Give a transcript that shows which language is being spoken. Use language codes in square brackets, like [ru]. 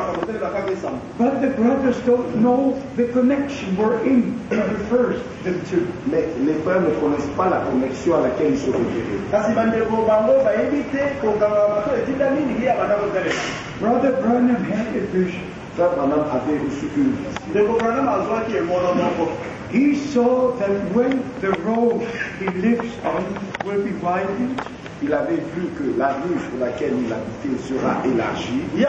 [en] But the brothers don't know the connection wherein he refers them to. [fr] Mais les frères ne connaissent pas la connexion à laquelle ils se référaient. [en] Brother Branham had a vision. [fr] Frère Branham avait reçu une vision. [en] He saw that when the road he lives on will be widened. [fr] il avait vu que la rue sur laquelle il habitait sera élargie.